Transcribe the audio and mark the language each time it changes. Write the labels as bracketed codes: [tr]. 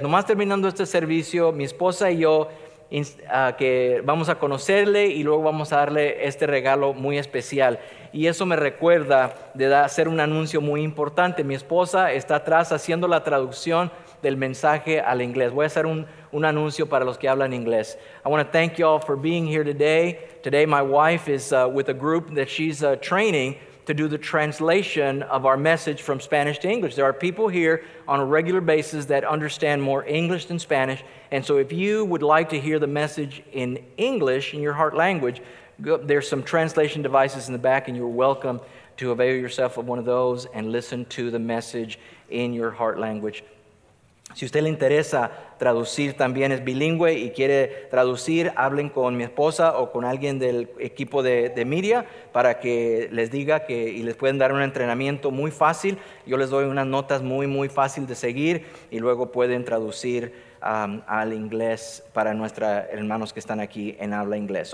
[es] Nomás terminando este servicio, mi esposa y yo que vamos a conocerle y luego vamos a darle este regalo muy especial. Y eso me recuerda de hacer un anuncio muy importante. Mi esposa está atrás haciendo la traducción del mensaje al inglés. Voy a hacer un anuncio para los que hablan inglés. [en] I want to thank you all for being here today. Today my wife is with a group that she's training to do the translation of our message from Spanish to English. There are people here on a regular basis that understand more English than Spanish. And so if you would like to hear the message in English, in your heart language, there's some translation devices in the back and you're welcome to avail yourself of one of those and listen to the message in your heart language. [es] Si usted le interesa traducir, también es bilingüe y quiere traducir, hablen con mi esposa o con alguien del equipo de media para que les diga que y les pueden dar un entrenamiento muy fácil. Yo les doy unas notas muy, muy fácil de seguir y luego pueden traducir al inglés para nuestros hermanos que están aquí en habla inglés.